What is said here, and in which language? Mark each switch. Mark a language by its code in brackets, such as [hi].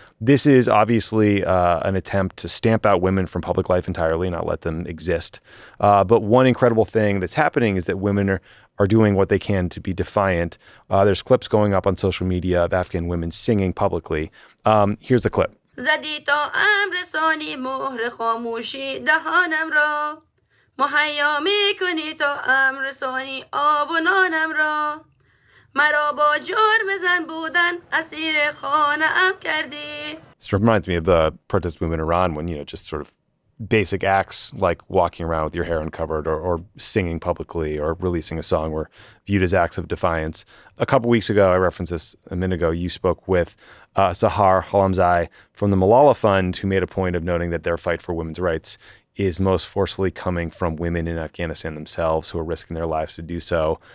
[en] This is obviously an attempt to stamp out women from public life entirely, not let them exist. But one incredible thing that's happening is that women are doing what they can to be defiant. There's clips going up on social media of Afghan women singing publicly. Here's a clip. [fa] زدی تا امر ثانی مهر خاموشی دهانم را محیا می کنی تا امر ثانی آب و نانم را مرا با جرم زن بودن اسیر خانه ام کردی. [en] It reminds me of the protest movement in Iran when, you know, just sort of basic acts like walking around with your hair uncovered or singing publicly or releasing a song were viewed as acts of defiance. A couple weeks ago, I referenced this a minute ago, you spoke with Sahar Halamzai from the Malala Fund, who made a point of noting that their fight for women's rights is most forcefully coming from women in Afghanistan themselves who are risking their lives to do so.